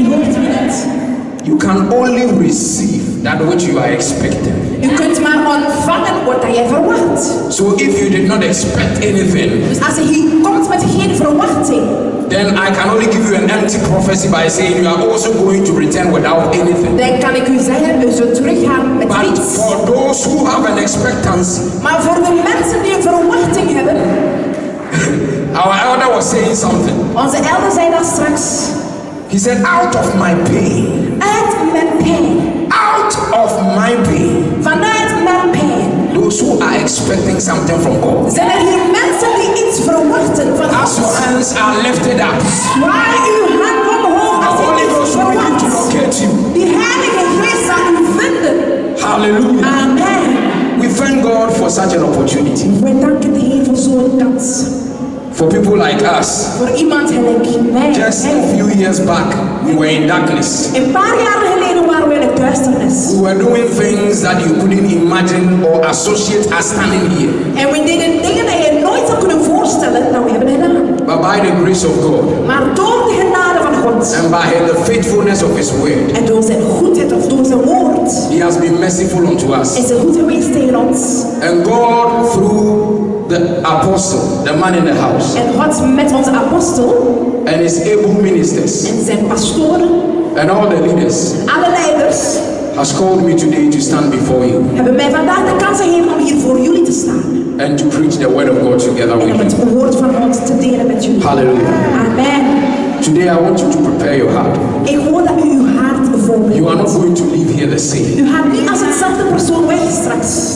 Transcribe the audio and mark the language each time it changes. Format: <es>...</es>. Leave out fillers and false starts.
<en>You can only receive that which you are expecting.</en> <nl>You kunt maar ontvangen wat je verwacht.</nl> <en>So if you did not expect anything,</en> <nl>als je komt met geen verwachting,</nl> <en>then I can only give you an empty prophecy by saying you are also going to return without anything.</en> <nl>Dan kan ik u zeggen, u zult teruggaan met</nl> <en>but</en> <nl>niets.</nl> <en>For those who have an expectancy,</en> <nl>maar voor de mensen die een verwachting hebben.</nl> <en>Our elder was saying something.</en> <nl>Onze elder zei dat straks.</nl> <en>He said, out of my pain.</en> <nl>Uit mijn pijn.</nl> <en>Out of my pain.</en> <nl>Vanuit mijn pijn.</nl> <en>Those who are expecting something from God.</en> <nl>Zijn er hier mensen die iets verwachten van God?</nl> <en>As your hands are lifted up.</en> <nl>Waar uw hand omhoog als</nl> <en>Holy Ghost will begin to locate you.</en> <nl>Die Heilige Geest zal u vinden.</nl> <en>Hallelujah. Amen. We thank God for such an opportunity.</en> <nl>We danken de Heer voor zo'n kans.</nl> <en>For people like us,</en> <nl>voor iemand gelijk mij,</nl> <en>just a few years back, we were in darkness.</en> <nl>Een paar jaar geleden waren we in de duisternis.</nl> <en>We were doing things that you couldn't imagine or associate as standing here.</en> <nl>En we deden dingen die je nooit zou kunnen voorstellen dat we hebben gedaan.</nl> <en>But by the grace of God,</en> <nl>maar door de genade van God,</nl> <en>and by the faithfulness of His word,</en> <nl>en door zijn goedheid of door zijn woord,</nl> <en>He has been merciful unto us.</en> <nl>Is hij goed geweest tegen ons?</nl> <en>And God through the apostle, the man in the house.</en> <nl>En God met onze apostel.</nl> <en>And his able ministers.</en> <nl>En zijn pastoren.</nl> <en>And all the leaders.</en> <nl>Alle leiders.</nl> <en>Has called me today to stand before you.</en> <nl>Hebben mij vandaag de kans gegeven om hier voor jullie te staan.</nl> <en>And to preach the word of God together with you.</en> <nl>En om het woord van God te delen met jullie.</nl> <en>Hallelujah. Amen. Today I want you to prepare your heart.</en> <nl>Ik hoor dat u uw hart voorbereidt.</nl> <en>You are not going to leave here the same.</en> <nl>U gaat niet als hetzelfde persoon weg straks.</nl>